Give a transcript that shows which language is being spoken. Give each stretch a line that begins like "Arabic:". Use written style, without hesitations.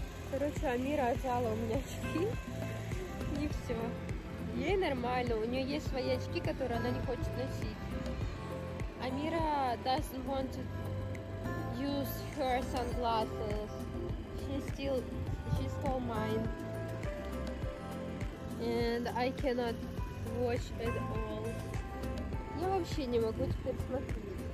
Russian: Короче, Амира отжала у меня очки. И все. Ей нормально. У нее есть свои очки, которые она не хочет носить.
English: Амира doesn't want to use her sunglasses. She stole mine. And I cannot watch at all.
Russian: Я вообще не могу теперь смотреть.